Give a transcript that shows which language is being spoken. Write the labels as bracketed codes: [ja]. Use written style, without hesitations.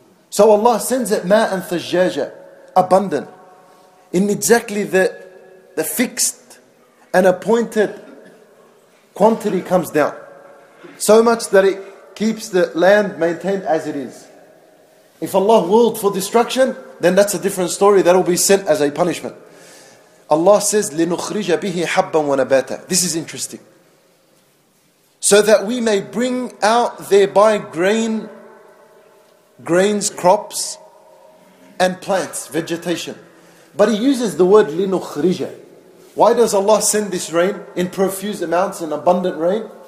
[en] So Allah sends it ma'an thajjaja, abundant, in exactly the fixed and appointed quantity comes down. So much that it keeps the land maintained as it is. If Allah willed for destruction, then that's a different story. That will be sent as a punishment. Allah says, [ar] لِنُخْرِجَ بِهِ حَبًّا وَنَبَاتًا. [en] This is interesting. So that we may bring out thereby grains, crops, and plants, vegetation. But he uses the word لِنُخْرِجَ. Why does Allah send this rain in profuse amounts and abundant rain?